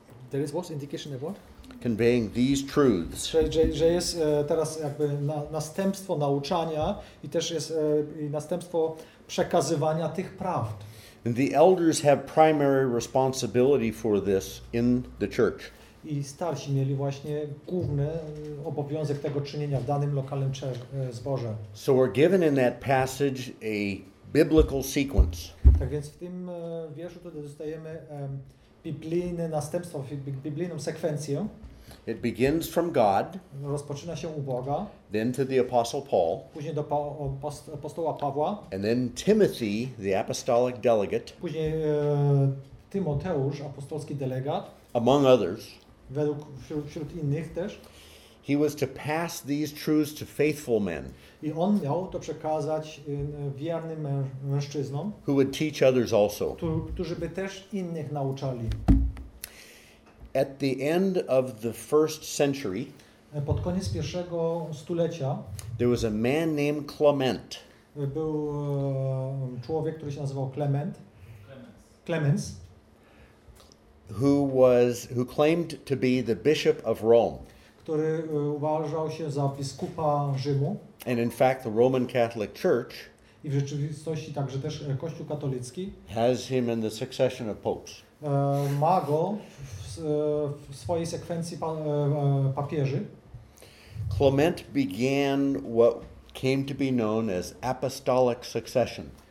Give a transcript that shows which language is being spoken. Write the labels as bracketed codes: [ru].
[en] there is what indication of what? Conveying these truths. [pl] Że jest teraz jakby następstwo nauczania i też jest następstwo przekazywania tych prawd. [en] And the elders have primary responsibility for this in the church. [pl] I starsi mieli właśnie główny obowiązek tego czynienia w danym lokalnym zborze. [en] So we're given in that passage a biblical sequence. [pl] Tak więc w tym wierszu tutaj dostajemy biblijne następstwo, biblijną sekwencję. [en] It begins from God. [pl] Rozpoczyna się u Boga. [en] Then to the Apostle Paul. [pl] Później do apostoła Pawła. [en] And then Timothy, the apostolic delegate. [pl] Później Tymoteusz, apostolski delegat. [en] Among others. [pl] Według wśród innych też. [en] He was to pass these truths to faithful men. [pl] I on miał to przekazać wiernym mężczyznom. [en] Who would teach others also. [pl] Którzy by też innych nauczali. [en] At the end of the first century, [pl] pod koniec pierwszego stulecia, [en] there was a man named Clement. [pl] Był człowiek, który się nazywał Clement. Clemens. [en] Who claimed to be the bishop of Rome. [pl] Który uważał się za biskupa Rzymu. [en] And in fact, the Roman Catholic Church. [pl] I w rzeczywistości także też Kościół katolicki. [en] Has him in the succession of popes. [pl] Ma go w swojej sekwencji papieży. [en] Clement began what came to be known as apostolic succession.